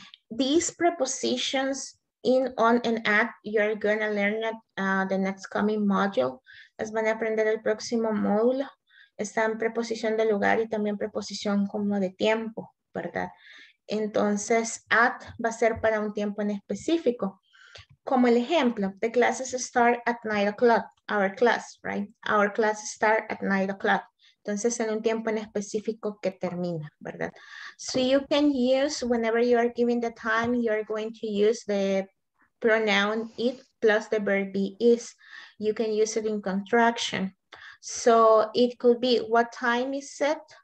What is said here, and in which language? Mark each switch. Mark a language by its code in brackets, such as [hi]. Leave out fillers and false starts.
[en] These prepositions in, on, and at, you're going to learn at the next coming module. [es] Les van a aprender el próximo módulo. Está en preposición de lugar y también preposición como de tiempo, ¿verdad? Entonces, at va a ser para un tiempo en específico. Como el ejemplo, [en] the classes start at 9 o'clock, our class, right? Our class start at 9 o'clock. [es] Entonces, en un tiempo en específico que termina, ¿verdad? [en] So you can use, whenever you are giving the time, you are going to use the pronoun it plus the verb be is. You can use it in contraction. So it could be, what time is it?